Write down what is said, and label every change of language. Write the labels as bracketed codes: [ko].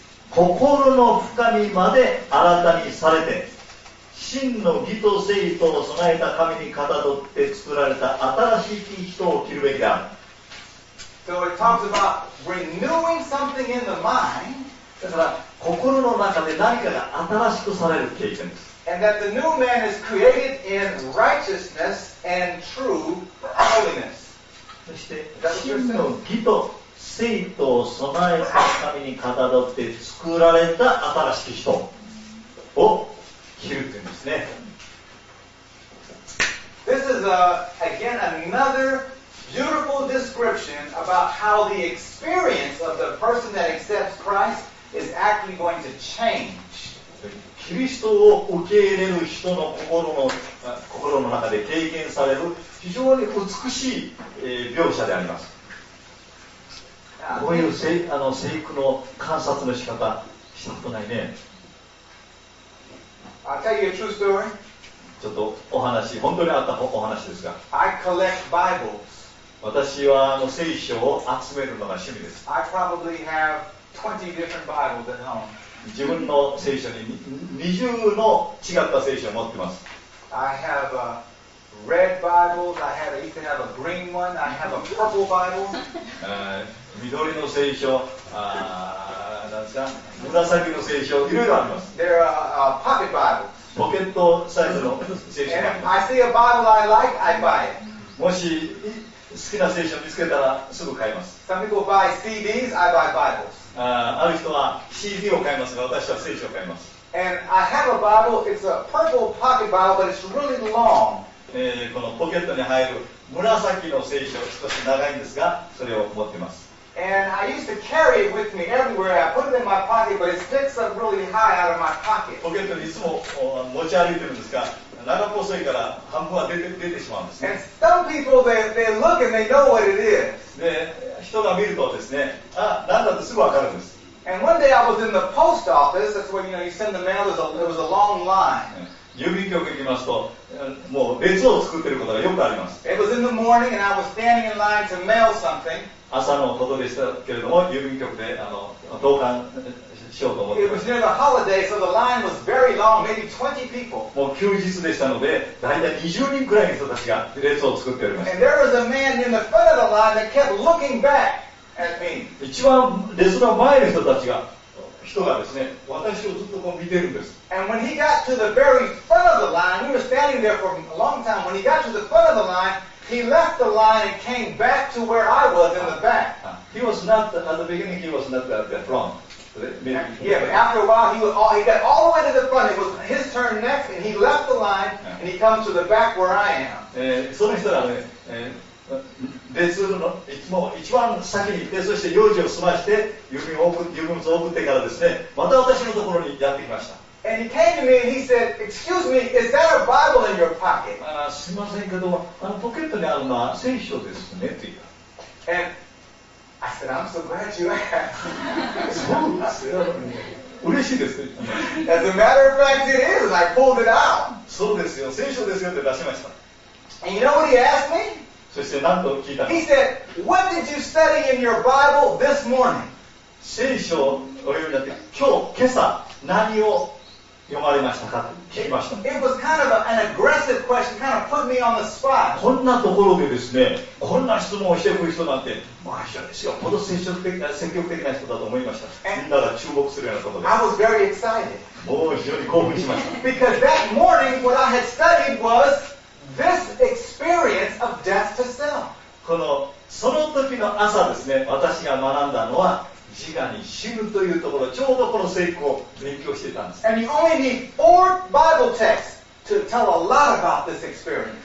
[ja] 心の深みまで新たにされて、真の義と正義とを備えた神にかたどって作られた新しい人を着るべきだ。 [en] So it talks about renewing something in the mind. [ja] だから心の中で何かが新しくされる経験です。 [en] And that the new man is created in righteousness and true holiness. [ja] そして真の義と正義とを備えた神にかたどって作られた新しい人を着るというんですね。 [en] This is a, again anotherBeautiful description about how the experience of the person that accepts Christ is actually going to change. [ja] キリストを受け入れる人の心の中で経験される非常に美しい、描写であります。こういう生育の観察の仕方したことないね。 [en] I'll tell you a true story. [ja] ちょっとお話、本当にあったお話ですが。 [en] I collect Bibles. [ja] 私はあの聖書を集めるのが趣味です。 [en] I probably have 20 different Bibles at home. [ja] 自分の聖書に20の違った聖書を持っています。 [en] I have a red Bibles. I have even have a green one. I have a purple Bible. [ja] 緑の聖書、なんですか、紫の聖書、いろいろあります。 [en] There are pocket Bibles. [ja] ポケットサイズの聖書。 [en] And I see a Bible I like, I buy it. [ja] もし好きな聖書を見つけたらすぐ買います。 [en] Some people buy CDs, I buy Bibles. [ja] ある人は CD を買いますが、私は聖書を買います。 [en] And I have a Bible. It's a purple pocket Bible, but it's really long. [ja] このポケットに入る紫の聖書、少し長いんですが、それを持っています。 [en] And I used to carry it with me everywhere. I put it in my pocket, but it sticks up really high out of my pocket. [ja] ポケットにいつも持ち歩いてるんですが、長っぽそいから半分は出てしまうんですね。 [en] And some people they look and they know what it is. [ja] で、人が見るとですね、あ、なんだってすぐ分かるんです。 [en] And one day I was in the post office. That's where, you know, you send the mail. There was a long line. [ja] 郵便局に行きますと、もう列を作っていることがよくあります。 [en] It was in the morning and I was standing in line to mail something. [ja] 朝のことでしたけれども、郵便局で投函しようと思って。 [en] It was near the holiday, so the line was very long, maybe 20 people. [ja] もう休日でしたので、大体20人くらいの人たちが列を作っておりました。 [en] And there was a man in the front of the line that kept looking back at me. [ja] 一番列の前の人たちが、人がですね、私をずっとこう見てるんです。 [en] And when he got to the very front of the line, we were standing there for a long time, when he got to the front of the line, he left the line and came back to where I was in the back. He was not, at the beginning, he was not at the front. Yeah, but after a while he got all the way to the front. It was his turn next, and he left the line, and he comes to the back where I am. [ja] その人はね、別のいつも一番先に行って、そして用事を済まして郵便を送って、郵便物を送ってからですね、また私のところにやってきました。 [en] And he came to me and he said, excuse me, is that a Bible in your pocket? [ja] すみませんけど、あのポケットにあるのは聖書ですねと言った。 [en] And I said, I'm so glad you asked. [ja] そうですよ。嬉しいですね。 [en] As a matter of fact, it is. I pulled it out. [ja] そうですよ。聖書ですよって出しました。 [en] And you know what he asked me? [ja] そして何と聞いた。 [en] He said, what did you study in your Bible this morning? [ja] 聖書を読んだって、今日、今朝、何を読まれましたかと聞きました。 [en] It was kind of an aggressive question, kind of put me on the spot. [ja] こんなところでですね、こんな質問をしてくる人なんて、まあ、しかもほど積極的な人だと思いました。みんなが注目するようなことです。 [en] I was very excited. [ja] もう非常に興奮しました。 [en] Because that morning, what I had studied was this experience of death to self. [ja] この、その時の朝ですね、私が学んだのは、自我に死ぬというところ、ちょうどこの聖句を勉強していたんです。 [en] And you only need four Bible texts to tell a lot about this experience.